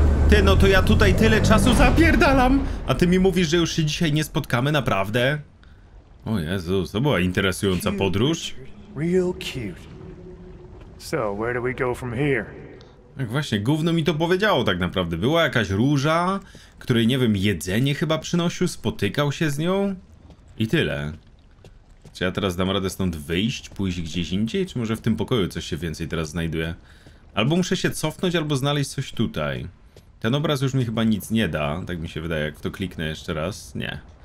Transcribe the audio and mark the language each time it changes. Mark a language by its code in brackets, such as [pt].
[pl] Ty, no to ja tutaj tyle czasu zapierdalam, a ty mi mówisz, że już się dzisiaj nie spotkamy, naprawdę? O Jezus, to była interesująca podróż. [en] Real cute. So, where do we go from here? [pl] Tak właśnie, gówno mi to powiedziało tak naprawdę. Była jakaś Róża, której, nie wiem, jedzenie chyba przynosił, spotykał się z nią i tyle. Czy ja teraz dam radę stąd wyjść, pójść gdzieś indziej, czy może w tym pokoju coś się więcej teraz znajduje? Albo muszę się cofnąć, albo znaleźć coś tutaj. Ten obraz już mi chyba nic nie da, tak mi się wydaje, jak to kliknę jeszcze raz. Nie.